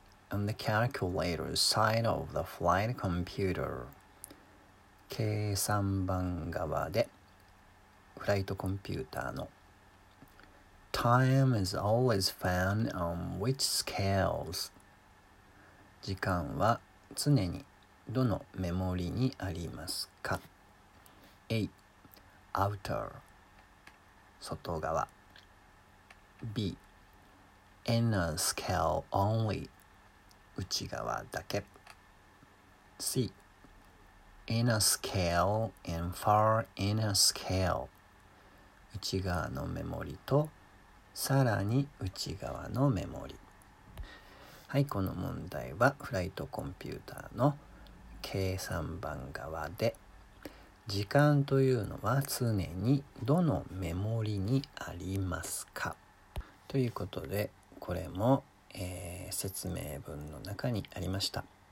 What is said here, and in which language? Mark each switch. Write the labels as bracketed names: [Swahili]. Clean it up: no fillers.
[English] On the calculator side of the flight computer, [Japanese] 計算盤側でフライトコンピューターの [English] Time is always found on which scales? [Japanese] 時間は常にどのメモリにありますか? [English] A. Outer [Japanese] 外側 [English] B. Inner scale only [Japanese] 内側だけ [English] C. Inner scale and far inner scale [Japanese] 内側のメモリとさらに内側のメモリ。はい、この問題はフライトコンピューターの計算盤側で、時間というのは常にどのメモリにありますかということで、これも、説明文の中にありました。